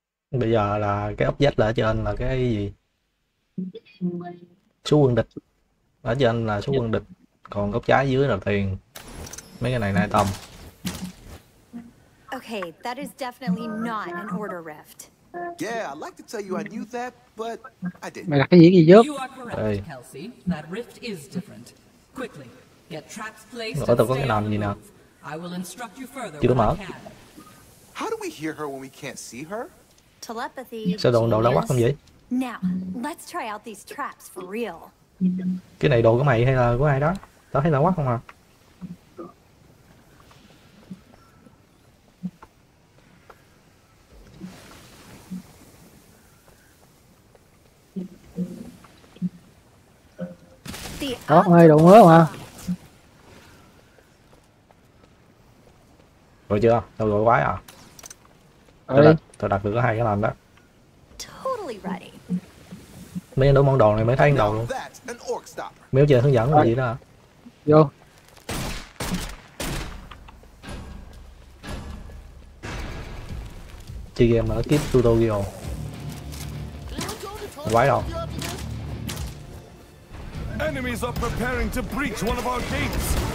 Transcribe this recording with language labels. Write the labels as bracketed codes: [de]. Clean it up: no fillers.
[vi] Bây giờ là cái ốc dách là ở trên là cái gì? Số quân địch. Ở trên là số quân địch. Còn góc trái dưới là tiền. Mấy cái này là item. [en] Okay, that is definitely not an order rift. Yeah, I'd like to tell you I knew that, but I didn't. [vi] Mày đặt cái gì trước? [en] You are correct, Kelsey. That rift is different. Quickly, get traps placed. [vi] Ủa, tao có cái nào gì nào? [en] I will instruct you further. [vi] Chưa mở. [en] How do we hear her when we can't see her? Telepathy. [vi] Sao đồ đâu quá không vậy? [en] Now, let's try out these traps for real. [vi] Cái này đồ của mày hay là của ai đó? Tao thấy là quá không à? Đó, ơi, đồ mới mà. Rồi chưa? Tao gọi quái à? Tao đặt được hai cái lần đó. [en] Totally ready. [vi] Mấy đứa món đồ này mới thấy đầu luôn. Mấy giờ hướng dẫn là gì đó hả? Vô. Chơi game ở kiếp tutorial. Quái đâu? [en] Enemies are preparing to breach one of our gates.